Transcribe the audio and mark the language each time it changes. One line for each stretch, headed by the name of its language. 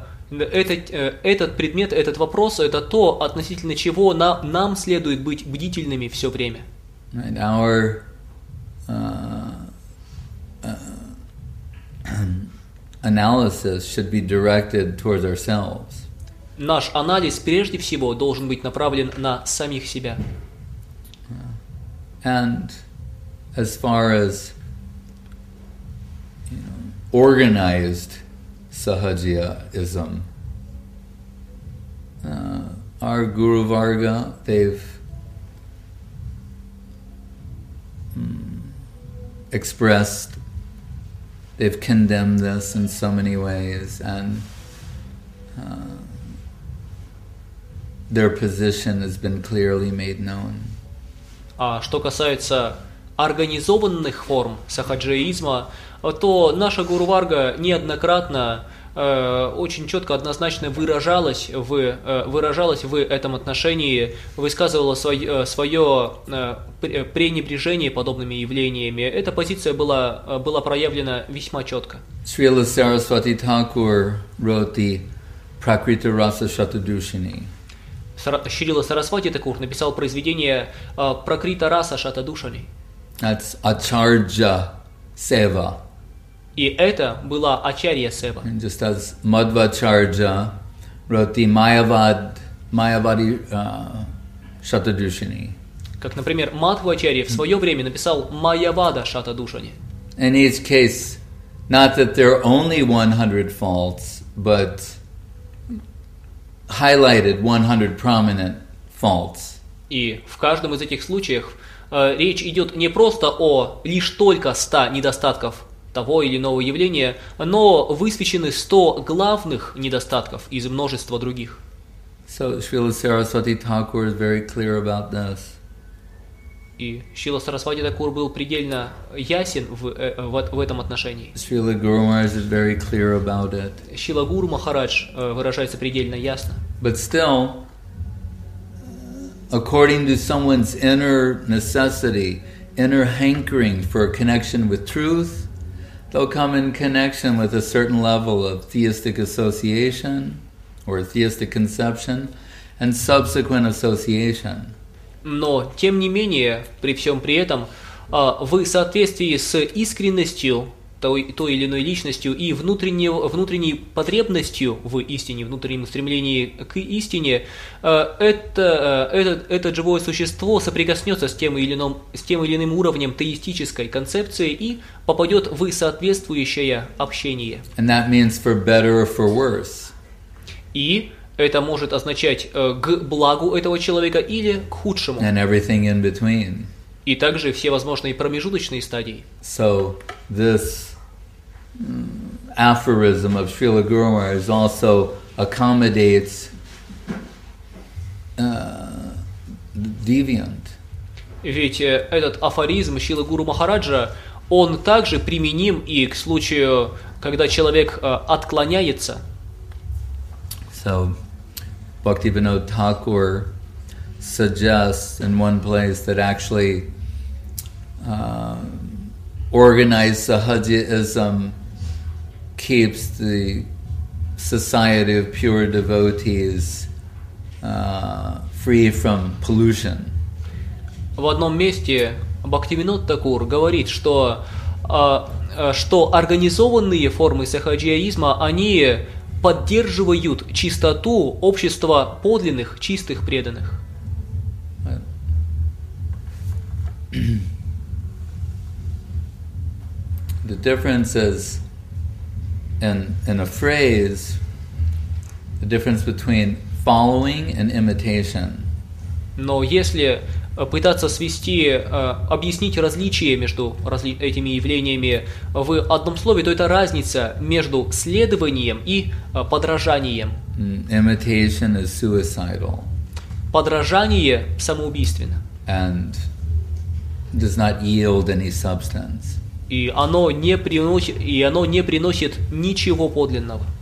Russian: Этот предмет, этот вопрос, это то, относительно чего нам следует быть бдительными все время.
English: And our analysis should be directed towards ourselves.
Russian: Наш анализ прежде всего должен быть направлен на самих себя.
English: And as far as organized sahajiyaism, our Guru Varga, they've expressed, they've condemned this in so many ways, and their position has been clearly made known.
Russian: А что касается организованных форм сахаджиизма, то наша Гуру Варга неоднократно очень четко, однозначно выражалась в этом отношении, высказывала свое пренебрежение подобными явлениями. Эта позиция была проявлена весьма четко.
English: Шрила Сарасвати Такур wrote the Prakriti Rasa Shatadushini.
Russian: Шрила Сарасвати Такур написал произведение Prakriti Rasa Shatadushini.
English: That's Acharya Seva.
Russian: И это была Ачарья Сева.
English: And just as Madhvacharya wrote the Mayavadi Shatadushini.
Russian: Как, например, Мадхвачарья в свое время написал Майявада Шатадушани.
English: In each case, not that there are only 100 faults, but highlighted 100 prominent faults.
Russian: И в каждом из этих случаев речь идет не просто о лишь только 100 недостатков того или иного явления, но высвечены 100 главных недостатков из множества других.
English: So Srila Sarasvati Thakur is very clear about this.
Russian: И Srila Sarasvati Thakur был предельно ясен в этом отношении.
English: Srila Guru Maharaj is very clear about it.
Russian: Srila Guru Maharaj выражается предельно ясно.
English: But still, according to someone's inner necessity, inner hankering for a connection with truth, they'll come in connection with a certain level of theistic association or theistic conception and subsequent association.
Russian: Но тем не менее, при всем при этом, в соответствии с искренностью той или иной личностью и внутренней потребностью в истине, внутреннем стремлении к истине, это живое существо соприкоснется с тем или иным уровнем теистической концепции и попадет в соответствующее общение.
English: And that means for better or for worse.
Russian: И это может означать к благу этого человека или к худшему.
English: And everything in between.
Russian: И также все возможные промежуточные стадии.
English: So this aphorism of Srila Guru Maharaj also accommodates deviant.
Russian: Ведь этот афоризм Шрилы Гуру Махараджа, он также применим и к случаю, когда человек отклоняется.
English: So, Bhaktivinod Thakur suggests in one place that actually organized Sahajism keeps the society of pure devotees free from pollution.
Russian: В одном месте Бхактивинод Такур говорит, что что организованные формы сахаджиаизма они поддерживают чистоту общества подлинных чистых преданных.
English: The difference is in a phrase, the difference between following and imitation.
Russian: Но если пытаться свести, объяснить различие между этими явлениями в одном слове, то это разница между следованием и подражанием.
English: Imitation is suicidal.
Russian: Подражание самоубийственно.
English: And does not yield any substance.
Russian: И оно не приносит, ничего подлинного.